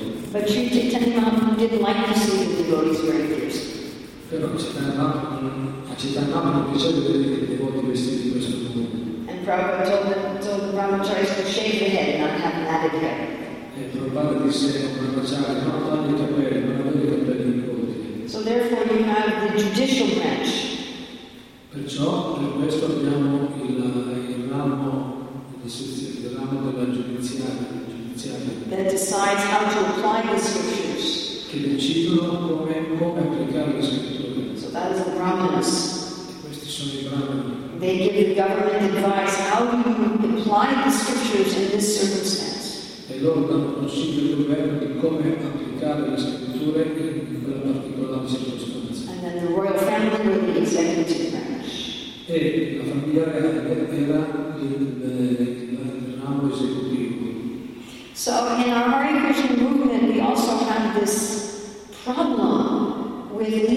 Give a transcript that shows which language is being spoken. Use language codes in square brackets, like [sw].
[en] But Sri Chaitanya didn't like to see the devotees wearing deerskin. [it] Però a Chaitanya non piaceva vedere i devoti vestiti in questo modo. [en] And Prabhupada told the Ramacharis to shave your head and not have matted hair. [it] E Prabhupada disse a Ramacharya, no, tagli i capelli, non avere i capelli dei devoti. [en] So therefore you have the judicial branch. [it] Perciò per questo abbiamo il ramo, il ramo della giudiziaria. [en] That decides how to apply the scriptures. [it] Che decidono come applicare le scritture. [en] So that is the Brahmanas. [it] Questi sono i Brahmani. [en] They give the government advice how you apply the scriptures in this circumstance. [it] E loro danno consiglio al governo di come applicare le scritture in quella particolare circostanza. [en] And then the royal family with the executive branch. [it] E la famiglia reale era il ramo esecutivo. [en] So in our Hare Krishna movement we also have this problem with